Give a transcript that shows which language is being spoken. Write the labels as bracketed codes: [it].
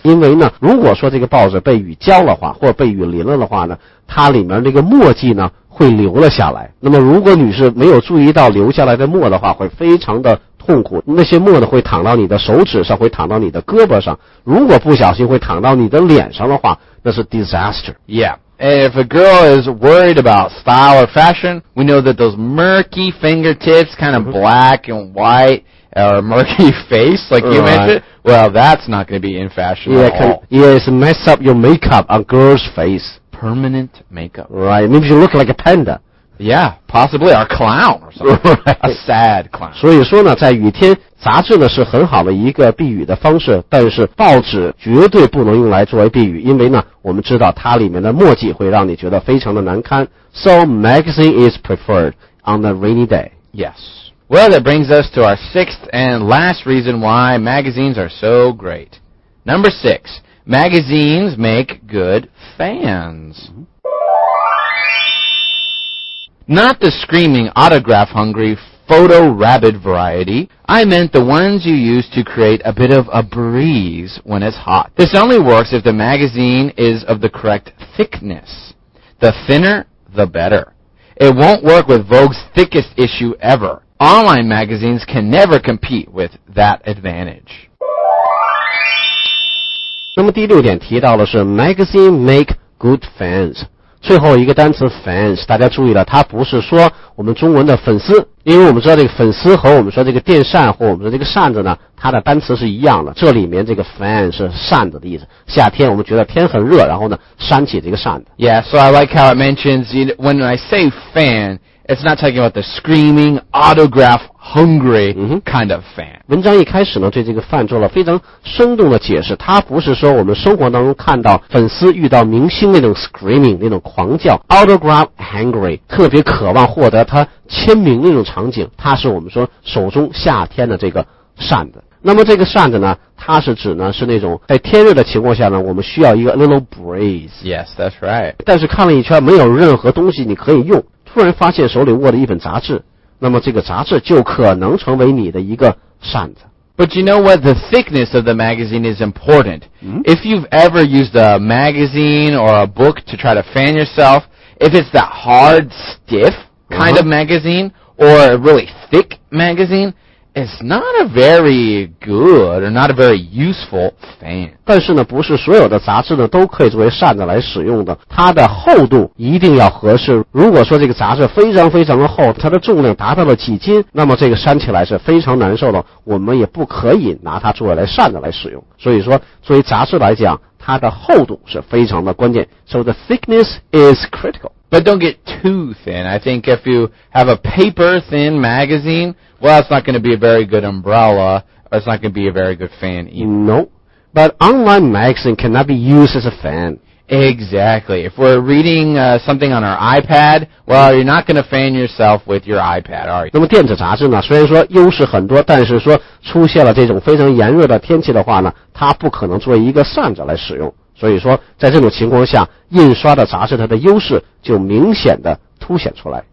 [zh] 因为呢，如果说这个报纸被雨浇了话，或被雨淋了的话呢，它里面那个墨迹呢会流了下来。那么如果女士没有注意到流下来的墨的话，会非常的痛苦。那些墨呢会淌到你的手指上，会淌到你的胳膊上。如果不小心会淌到你的脸上的话，那是 disaster. [en] Yeah. If a girl is worried about style or fashion, we know that those murky fingertips, kind of black and white, or murky face, like you right. mentioned, well, that's not going to be in fashion yeah, at all. Yeah, it's mess up your makeup on girl's face. Permanent makeup. Right, maybe you look like a panda. Yeah, possibly a clown or something. A sad clown. 所以说呢，在雨天，杂志呢是很好的一个避雨的方式，但是报纸绝对不能用来作为避雨，因为呢，我们知道它里面的墨迹会让你觉得非常的难堪。 So magazine is preferred on a rainy day. Yes. Well, that brings us to our sixth and last reason why magazines are so great. Number six, magazines make good fans. Not the screaming, autograph-hungry, photo-rabid variety. I meant the ones you use to create a bit of a breeze when it's hot. This only works if the magazine is of the correct thickness. The thinner, the better. It won't work with Vogue's thickest issue ever. Online magazines can never compete with that advantage. [zh] 那么第六点提到的是 [en] magazine make good fans. [zh] 最后一个单词 fans, 大家注意了，它不是说我们中文的粉丝，因为我们知道这个粉丝和我们说这个电扇或我们说这个扇子呢，它的单词是一样的。这里面这个 fan 是扇子的意思。夏天我们觉得天很热，然后呢扇起这个扇子。 [en] Yeah, so I like how it mentions, you know, when I say fan, it's not talking about the screaming, autograph hungry kind of fan.、 [zh] Mm-hmm. 文章一开始呢对这个 fan 做了非常生动的解释，它不是说我们生活当中看到粉丝遇到明星那种 screaming, 那种狂叫 [en] autograph hungry, [zh] 特别渴望获得他签名那种场景，它是我们说手中夏天的这个扇子。那么这个扇子呢，它是指呢是那种在天热的情况下呢，我们需要一个 [en] little breeze. Yes, that's right. [zh] 但是看了一圈没有任何东西你可以用，突然发现手里握着一本杂志，那么这个杂志就可能成为你的一个扇子。 [en] But you know what? The thickness of the magazine is important.、 Mm-hmm. If you've ever used a magazine or a book to try to fan yourself, if it's that hard, stiff kind、 uh-huh. of magazine or a really thick magazine,It's not a very good or not a very useful fan. [zh] 但是呢，不是所有的杂志呢都可以作为扇子来使用的。它的厚度一定要合适。如果说这个杂志非常非常的厚，它的重量达到了几斤，那么这个扇起来是非常难受的。我们也不可以拿它作为来扇子来使用。所以说，作为杂志来讲，它的厚度是非常的关键。 [en] So the thickness is critical. But don't get too thin. I think if you have a paper thin magazine, well, it's not going to be a very good umbrella, or it's not going to be a very good fan either. Nope. But online magazine cannot be used as a fan. Exactly. If we're reading, something on our iPad, well, you're not going to fan yourself with your iPad, are you? [zh] 那么电子杂志呢，虽然说优势很多，但是说出现了这种非常炎热的天气的话呢，它不可能作为一个扇子来使用。所以说在这种情况下印刷的杂志它的优势就明显的凸显出来。